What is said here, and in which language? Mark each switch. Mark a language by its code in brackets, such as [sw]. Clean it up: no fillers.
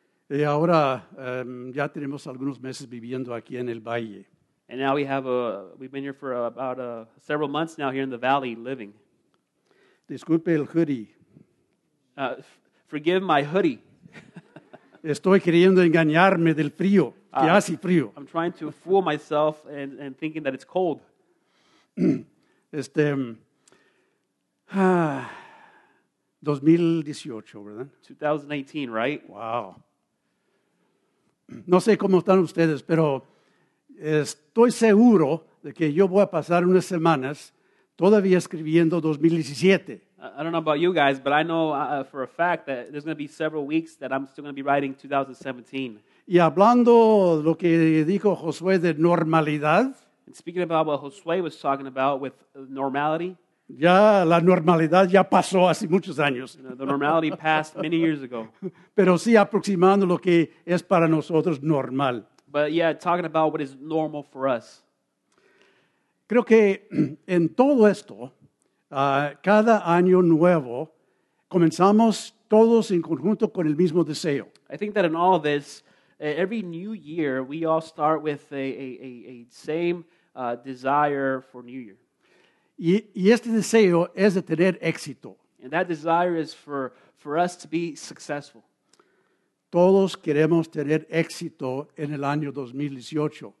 [es] Y ahora ya tenemos algunos meses viviendo aquí en el valle. [en] And now we've been here for about several months now here in the valley living. [es] Disculpe el hoodie. [en] Forgive my hoodie. [es] Estoy queriendo engañarme del frío, que hace frío. [en] I'm trying to fool myself and thinking that it's cold. [es] Este 2018, ¿verdad? [en] 2018, right? Wow. [es] No sé cómo están ustedes, pero estoy seguro de que yo voy a pasar unas semanas todavía escribiendo 2017. [en] I don't know about you guys, but I know for a fact that there's going to be several weeks that I'm still going to be writing 2017. [es] Y hablando de lo que dijo Josué de normalidad. [en] And speaking about what Josué was talking about with normality. [es] Ya la normalidad ya pasó hace muchos años. [en] You know, the normality passed many years ago. [es] Pero sí aproximando lo que es para nosotros normal. [en] But yeah, talking about what is normal for us. [es] Creo que en todo esto, cada año nuevo, comenzamos todos en conjunto con el mismo deseo. [en] I think that in all of this, every new year, we all start with a same desire for new year. [es] Y este deseo es de tener éxito. [en] And that desire is for us to be successful. [es] Todos queremos tener éxito en el año 2018.